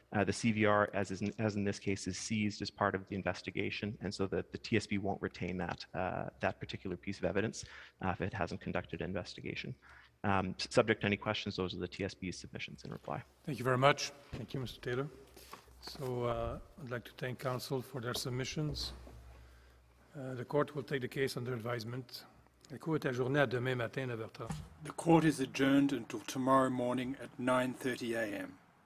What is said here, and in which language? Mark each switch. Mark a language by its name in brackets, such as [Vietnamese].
[English] The CVR, as in this case, is seized as part of the investigation, and so the TSB won't retain that particular piece of evidence if it hasn't conducted an investigation. Subject to any questions, those are the TSB's submissions in reply. Thank you very much. Thank you, Mr. Taylor. So I'd like to thank counsel for their submissions. The court will take the case under advisement. [French] La cour est ajournée à demain matin à 9h30. [English] The court is adjourned until tomorrow morning at 9:30 a.m.